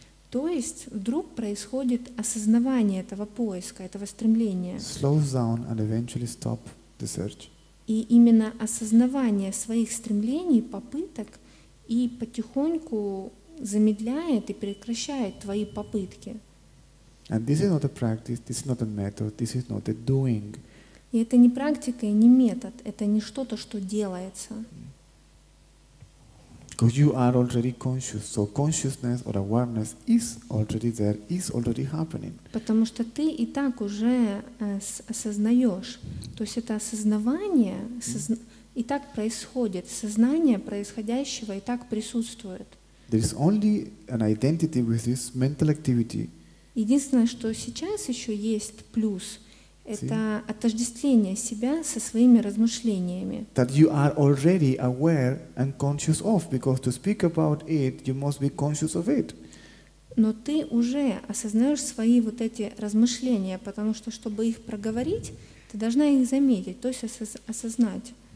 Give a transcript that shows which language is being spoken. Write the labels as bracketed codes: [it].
[ru] То есть вдруг происходит осознавание этого поиска, этого стремления. [en] Slows down and eventually stop the search. [ru] И именно осознавание своих стремлений, попыток, и потихоньку замедляет и прекращает твои попытки. [en] And this is not a practice, this is not a method, this is not a doing. [ru] И это не практика и не метод, это не что-то, что делается. [en] Because you are already conscious, so consciousness or awareness is already there, is already happening. [ru] Потому что ты и так уже осознаешь. То есть это осознавание, и так происходит, сознание происходящего и так присутствует. [en] There is only an identity with this mental activity. [ru] Единственное, что сейчас еще есть плюс, это [en] See? [ru] Отождествление себя со своими размышлениями. [en] That you are already aware and conscious of, because to speak about it, you must be conscious of it. [ru] Но ты уже осознаешь свои вот эти размышления, потому что, чтобы их проговорить, ты должна их заметить, то есть осознать.